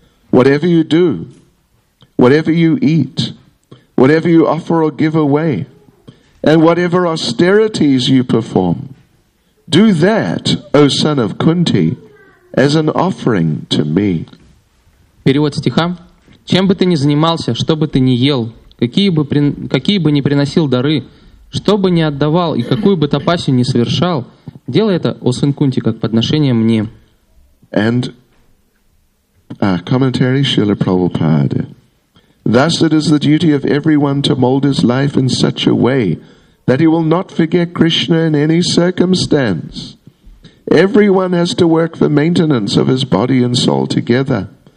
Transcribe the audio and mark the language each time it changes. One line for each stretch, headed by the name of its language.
English: Whatever you do, whatever you eat, whatever you offer or give away, and whatever austerities you perform, do that, O son of Kunti, as an offering to me.
Russian: Перевод стиха. Чем бы ты ни занимался, что бы ты ни ел, какие бы ни приносил дары, что бы ни отдавал и какую бы тапасию ни совершал, делай это, о сын Кунти, как подношение мне.
English: And commentary Srila Prabhupada. Thus it is the duty of everyone to mold his life in such a way that he will not forget Krishna in any circumstance. Everyone has to work for maintenance of his body and soul together.